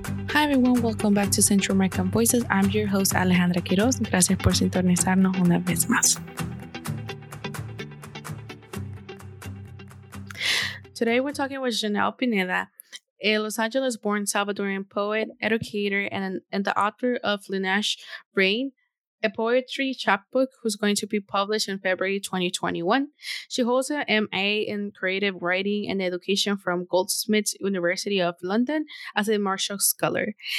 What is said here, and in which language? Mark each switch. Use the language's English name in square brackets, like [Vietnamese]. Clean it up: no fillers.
[English] Hi everyone, welcome back to Central American Voices. I'm your host Alejandra Quiroz. [Spanish] Gracias por sintonizarnos una vez más. [English] Today we're talking with Janelle Pineda, a Los Angeles-born Salvadorian poet, educator, and the author of Lunash Rain, a poetry chapbook who's going to be published in February 2021. She holds an MA in creative writing and education from Goldsmiths University of London as a Marshall Scholar.